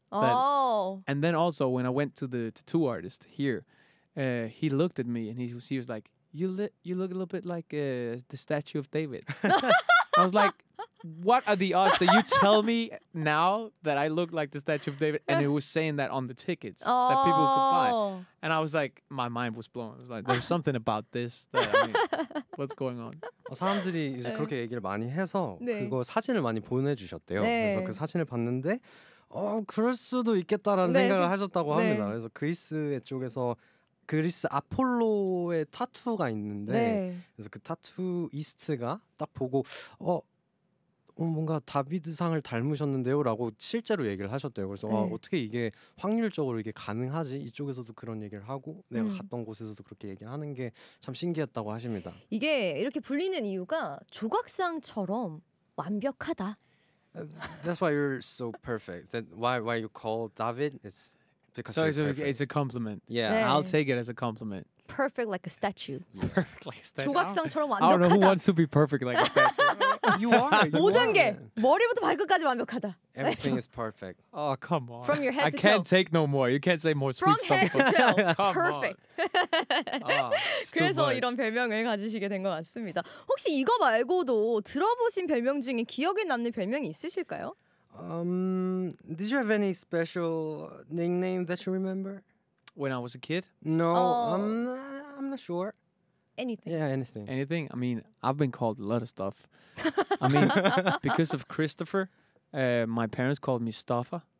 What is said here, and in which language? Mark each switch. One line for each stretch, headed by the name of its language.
English: And then also, when I went to the tattoo artist here, he looked at me, and he was like, you look a little bit like the statue of David. I was like, what are the odds that you tell me now that I look like the Statue of David? And it was saying that on the tickets that people could buy. And I was like, my mind was blown. I was like, there's something about this. That, I mean, what's going on?
Korean: 사람들이 이제 그렇게 얘기를 많이 해서 네. 그거 사진을 많이 보내주셨대요. 네. 그래서 그 사진을 봤는데 그럴 수도 있겠다라는 네. 생각을 하셨다고 합니다. 네. 그래서 그리스 쪽에서 그리스 아폴로의 타투가 있는데 네. 그래서 그 타투 이스트가 딱 보고 뭔가 다비드상을 닮으셨는데요 라고 실제로 얘기를 하셨대요. 그래서 네. 어떻게 이게 확률적으로 이게 가능하지? 이쪽에서도 그런 얘기를 하고 내가 갔던 곳에서도 그렇게 얘기를 하는 게 참 신기했다고 하십니다. 이게 이렇게 불리는 이유가 조각상처럼 완벽하다.
English: That's why you're so perfect. That why you call David is So it's a compliment. Yeah. I'll take it as a compliment. Perfect like a statue. Perfect like a statue.
Korean: 조각상처럼 완벽하다.
English: I don't know who wants to be perfect like a statue. You are. You
Korean: 모든 게 머리부터 발끝까지 완벽하다.
English: Everything is perfect. Oh, come on. From your head to toe. I can't take no more. You can't say more From sweet stuff. From head to toe. Perfect. Oh,
Korean: 그래서
English: much.
Korean: 이런 별명을 가지시게 된 것 같습니다. 혹시 이거 말고도 들어보신 별명 중에 기억에 남는 별명이 있으실까요?
English: Did you have any special nickname that you remember? When I was a kid? No, I'm not sure. anything. Yeah, anything. Anything. I mean, I've been called a lot of stuff. I mean, because of Christopher, my parents called me Stoffa.